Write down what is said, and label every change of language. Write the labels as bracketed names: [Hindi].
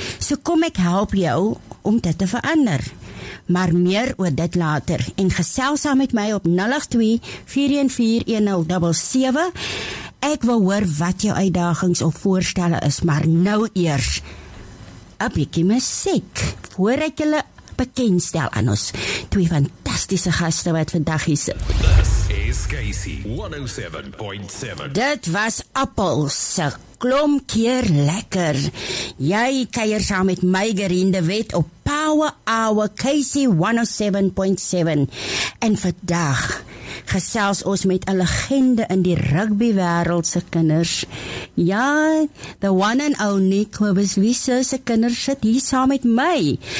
[Afrikaans] So kom ek help jou om dit te verander. Maar meer oor dit later en gesels saam met my op 082-414-1077. Ek wil hoor wat jou uitdagings of voorstelle is, maar nou eers 'n bietjie musiek voordat jy hulle bekendstel aan ons twee fantastiese gaste wat vandag hier sit. [English] This is KC 107.7. [Afrikaans] Dit was Appels se Klom keer lekker. Jy kuier saam met my Gerien de Wet op Power Hour KC 107.7 en vandag gesels ons met 'n legende in die rugby wêreld se kinders. Ja, [English] the one and only [Afrikaans] Clovis Wiese se kinders sit hier saam met my.